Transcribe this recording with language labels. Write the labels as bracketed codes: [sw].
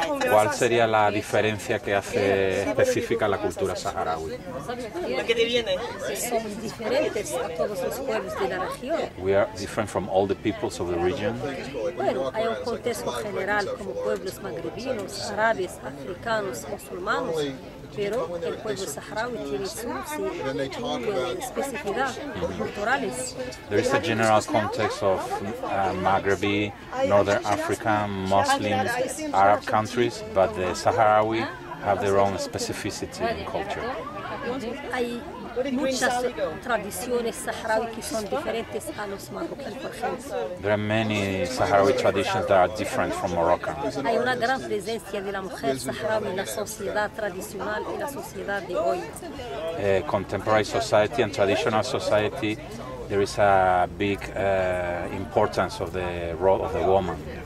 [es] ¿Cuál sería la diferencia que hace específica la cultura saharaui? Lo que te viene. Somos diferentes a todos los pueblos de la región. [en] We are different from all the peoples of the region. [es] Bueno, hay un contexto general como pueblos magrebinos, árabes, africanos, musulmanos. Pero el pueblo saharaui tiene sus especificidades culturales. [en] There is a general context of Maghrebi, Northern Africa, Muslim, Arab countries, but the Sahrawi have their own specificity in culture. [es] Hay muchas tradiciones saharaui que son diferentes a los marroquíes, por ejemplo. [en] There are many Sahrawi traditions that are different from Moroccan. [es] Hay una gran presencia de la mujer saharaui en la sociedad tradicional y la sociedad de hoy. [en] Contemporary society and traditional society, there is a big importance of the role of the woman.